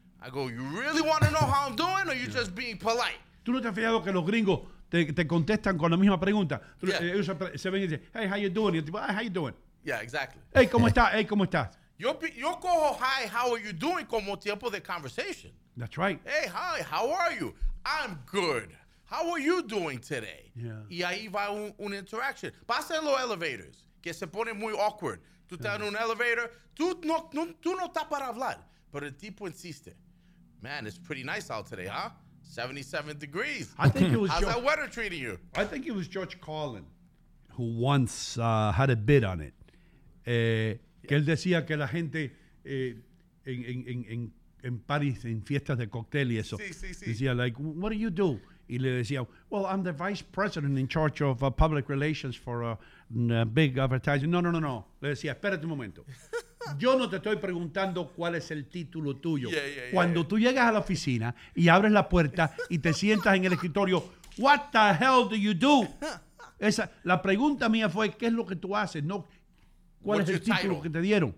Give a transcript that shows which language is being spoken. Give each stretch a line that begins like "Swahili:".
English: I go, you really want to know how I'm doing or you just being polite?
Spanish: ¿Tú no te has fijado que los gringos te contestan con la misma pregunta? Ellos se ven y dicen,
English: hey, how you doing?
Spanish: Y el tipo, hey, how you doing?
English: Yeah, exactly.
Spanish: Hey, ¿cómo estás? Hey, ¿cómo estás? Yo cojo,
English: hi, how are you doing,
Spanish: como tiempo de conversation.
English: That's right. Hey, hi, how are you? I'm good. How are you doing today? Yeah.
Spanish: Y ahí va un interaction. Pasa en los elevators, que se pone muy awkward. Tú estás en un elevator, tú no estás para hablar, pero el tipo insiste.
English: Man, it's pretty nice out today, huh? 77 degrees. I think it was how's George, that weather treating you? I think it was George Carlin who once had a bit on it.
Spanish: Que él decía que la gente en París, en fiestas de cóctel y eso, decía,
English: like, what do you do?
Spanish: Y le decía,
English: well, I'm the vice president in charge of public relations for a big advertising.
Spanish: No. Le decía, espérate un momento. Yo no te estoy preguntando cuál es el título tuyo. Cuando tú llegas a la oficina y abres la puerta y te sientas en el escritorio,
English: what the hell do you do?
Spanish: La pregunta mía fue, ¿qué es lo que tú haces? No, ¿cuál es el título que te dieron?